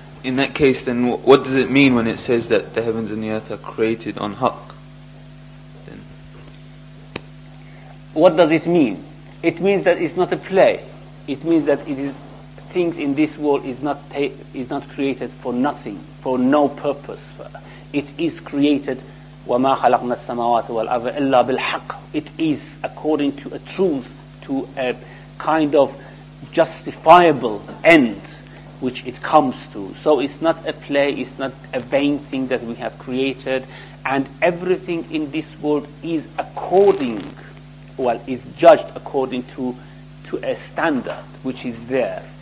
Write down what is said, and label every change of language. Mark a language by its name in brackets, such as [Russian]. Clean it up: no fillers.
[English] In that case, then what does it mean when it says that the heavens and the earth are created on haqq? Then what does it mean? It means that it's not a play. It means that it is things in this world is not created for nothing, for no purpose. It is created, [Arabic] وَمَا خَلَقْنَا السَّمَاوَاتِ وَالْأَرْضَ إِلَّا بِالْحَقِّ. [English] It is according to a truth, to a kind of justifiable end which it comes to. So it's not a play, it's not a vain thing that we have created, and everything in this world is according, well, is judged according to a standard which is there.